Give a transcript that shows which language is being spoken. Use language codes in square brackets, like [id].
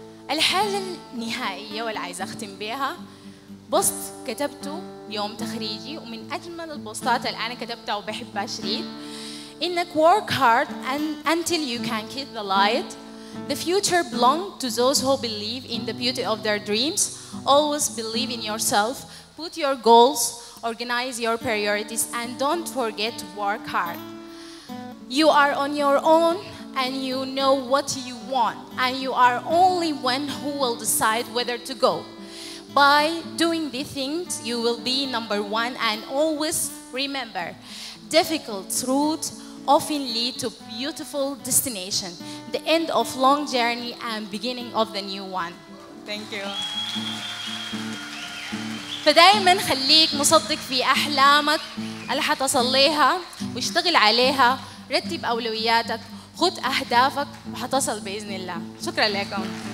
[ar] الحاجة النهائية واللي عايز أختم بيها، بوست كتبته يوم تخريجي ومن أجمل البوستات اللي أنا كتبتها وبحبها شديد، إنك [en] work hard and until you can keep the light. The future belongs to those who believe in the beauty of their dreams. Always believe in yourself. Put your goals, organize your priorities, and don't forget to work hard. You are on your own and you know what you want, and you are only one who will decide whether to go. By doing these things, you will be number one. And always remember, difficult routes often lead to beautiful destination, the end of long journey and beginning of the new one. Thank you. [ar] فدايما خليك مصدق في احلامك اللي حتصليها واشتغل عليها، رتب اولوياتك، خد اهدافك وحتصل باذن الله. شكرا لكم.